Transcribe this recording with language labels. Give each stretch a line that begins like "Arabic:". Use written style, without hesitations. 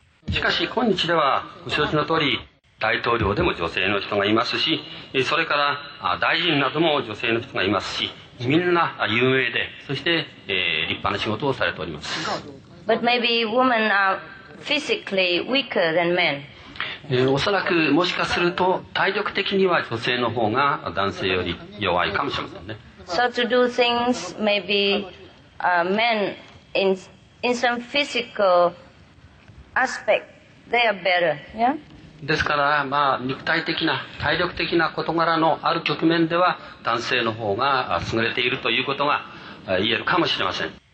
Japanese: しかし今日ではご承知の通り、大統領でも女性の人がいますし、それから大臣なども女性の人がいますし、みんな有名で、そして、立派な仕事をされております。
English: But maybe women are physically weaker than men.
Japanese: おそらくもしかすると体力的には女性の方が男性より弱いかもしれませんね。
English: So to do things maybe men in some physical aspect they are better, yeah?
Japanese: ですから、まあ、肉体的な体力的な事柄のある局面では男性の方が優れているということが言えるかもしれません。